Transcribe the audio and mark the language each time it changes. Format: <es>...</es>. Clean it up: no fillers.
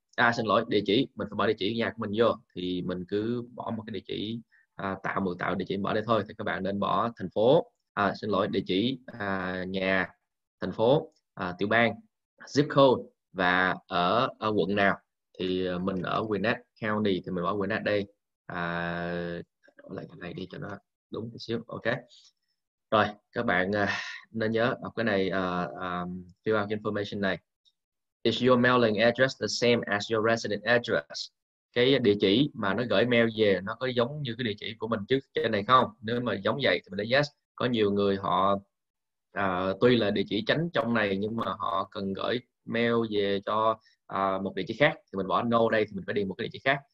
<vi>À xin lỗi, địa chỉ, mình phải bỏ địa chỉ nhà của mình vô. Thì mình cứ bỏ một cái địa chỉ tạo địa chỉ bỏ đây thôi. Thì các bạn nên bỏ thành phố, xin lỗi, địa chỉ, nhà, thành phố, tiểu bang, zip code và ở quận nào. Thì mình ở Gwinnett County thì mình bỏ Gwinnett đây. Đổi lại cái này đi cho nó đúng một xíu, ok. Rồi, các bạn nên nhớ đọc cái này, fill out information này.</vi> <en>Is your mailing address the same as your resident address?</en> <vi>Cái địa chỉ mà nó gửi mail về nó có giống như cái địa chỉ của mình trước trên này không? Nếu mà giống vậy thì mình đã yes. Có nhiều người họ tuy là địa chỉ chính trong này nhưng mà họ cần gửi mail về cho một địa chỉ khác, thì mình bỏ no đây thì mình phải đi một cái địa chỉ khác.</vi>